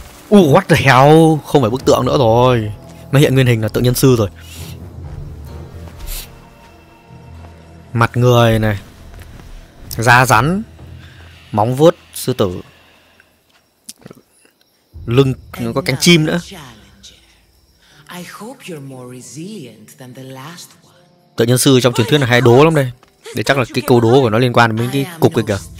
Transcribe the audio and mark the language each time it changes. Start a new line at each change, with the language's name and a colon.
English: What the hell,
Vietnamese: không phải bức tượng nữa rồi. Nó hiện nguyên hình là tượng nhân sư rồi. Mặt người này, da rắn, móng vuốt sư tử, lưng nó có cánh chim nữa.
English: I hope you're more resilient than the last one.
Vietnamese: Tượng nhân sư trong truyền thuyết là hay đố lắm đây. Để chắc là cái câu đố của nó liên quan đến cái cục kia kìa.